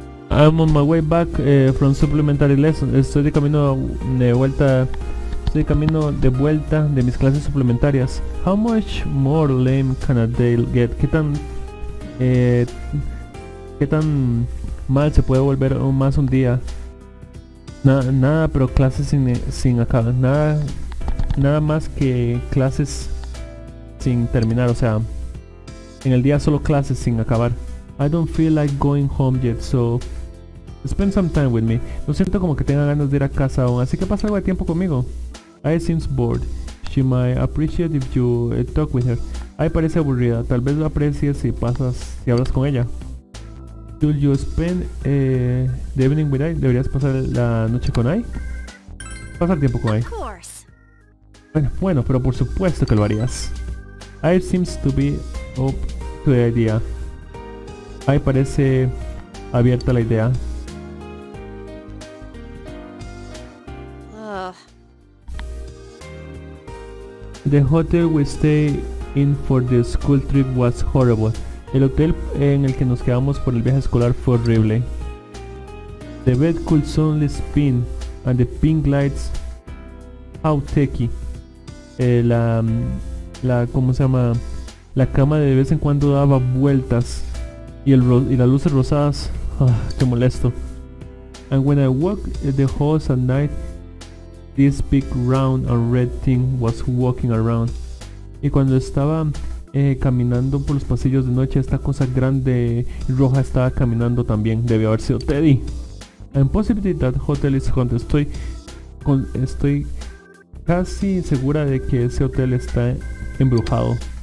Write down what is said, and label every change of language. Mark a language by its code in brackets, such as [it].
[en] I'm on my way back from supplementary lessons. [es] Estoy de camino de vuelta. Estoy de camino de vuelta de mis clases suplementarias. [en] How much more lame can a day get? [es] ¿Qué tan mal se puede volver aún más un día? Nada, pero clases sin acabar. Nada más que clases sin terminar, o sea, en el día solo clases sin acabar. [en] I don't feel like going home yet, so spend some time with me. [es] No siento como que tenga ganas de ir a casa aún, así que pasa algo de tiempo conmigo. [en] I seems bored. She might appreciate if you talk with her. [es] Ay, parece aburrida. Tal vez lo aprecies si pasas, si hablas con ella. [en] Should you spend the evening with I? [es] ¿Deberías pasar la noche con I? Pasar tiempo con I. Bueno, pero por supuesto que lo harías. [en] I seems to be up to the idea. [es] Ay, parece abierta la idea. [en] The hotel we stay in for the school trip was horrible. [es] El hotel en el que nos quedamos por el viaje escolar fue horrible. [en] The bed could suddenly spin and the pink lights. How techy. [es] La cama de vez en cuando daba vueltas y las luces rosadas. Qué molesto. [en] And when I walked the halls at night, this big round and red thing was walking around. [es] Y cuando estaba caminando por los pasillos de noche, esta cosa grande y roja estaba caminando también. Debe haber sido Teddy. [en] I'm positive that hotel is haunted. [es] Estoy casi segura de que ese hotel está embrujado.